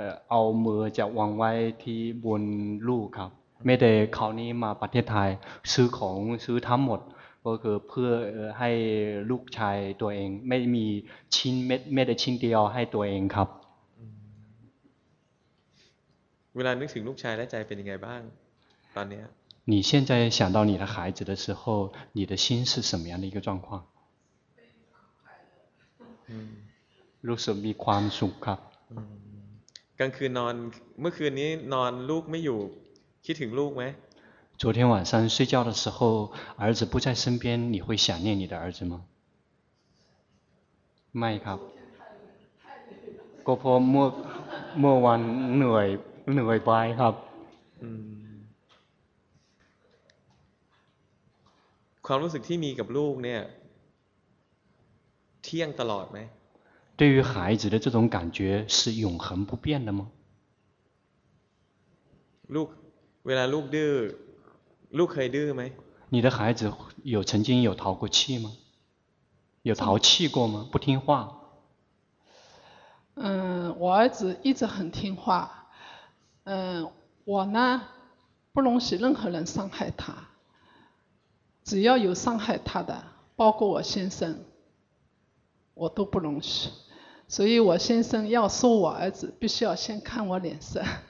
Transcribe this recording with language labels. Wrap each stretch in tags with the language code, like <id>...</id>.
<th>เอามือจะวางไว้ที่บนลูกครับไม่ได้คราวนี้มาประเทศไทยซื้อของซื้อทั้งหมดก็คือเพื่อให้ลูกชายตัวเองไม่มีชิ้นเม็ดไม่ได้ชิ้นเดียวให้ตัวเองครับ เวลานึกถึงลูกชายและใจเป็นยังไงบ้างตอนนี้</th> <zh>你现在想到你的孩子的时候你的心是什么样的一个状况</zh> <th>รู้สึกมีความสุขครับ กลางคืนนอนเมื่อคืนนี้นอนลูกไม่อยู่คิดถึงลูกไหม</th> <zh>昨天晚上睡觉的时候儿子不在身边你会想念你的儿子吗</zh> <th>ไม่ครับก็เพราะเมื่อวันเหนื่อยไปครับ ความรู้สึกที่มีกับลูกเนี่ยเที่ยงตลอดไหม</th> <zh>对于孩子的这种感觉是永恒不变的吗</zh> <th>ลูกเวลาลูกดื้อลูกเคยดื้อไหม</th> <zh>你的孩子有曾经有淘过气吗有淘气过吗不听话我儿子一直很听话我呢不容许任何人伤害他只要有伤害他的包括我先生我都不容许所以我先生要说我儿子必须要先看我脸色</zh>